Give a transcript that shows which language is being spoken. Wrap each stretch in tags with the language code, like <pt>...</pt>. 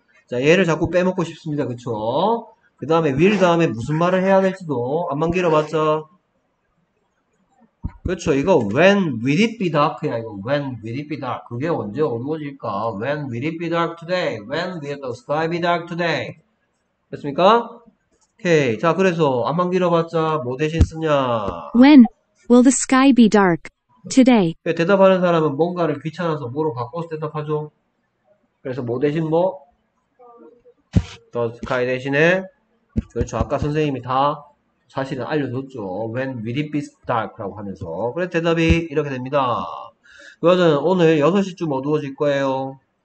<ko>자, 얘를 자꾸 빼먹고 싶습니다. 그쵸? 그 다음에 will 다음에 무슨 말을 해야 될지도 안만 길어봤죠? 그렇죠. 이거</ko> <en>when will it be dark</en> <ko>야, 이거.</ko> <en>When will it be dark?</en> <ko>그게 언제 어두워질까?</ko> <en>When will it be dark today? When will the sky be dark today?</en> <ko>됐습니까? 오케이. 자, 그래서 안만 길어봤자 뭐 대신 쓰냐?</ko> <en>When will the sky be dark today?</en> <ko>대답하는 사람은 뭔가를 귀찮아서 뭐로 바꿔서 대답하죠. 그래서 뭐 대신 뭐? The sky 대신에. 그렇죠. 아까 선생님이 다 사실은 알려줬죠.</ko> <en>When will it be dark라고</en> <ko>하면서. 그래서 대답이 이렇게 됩니다. 그러면 오늘 6시쯤 어두워질 거예요.</ko>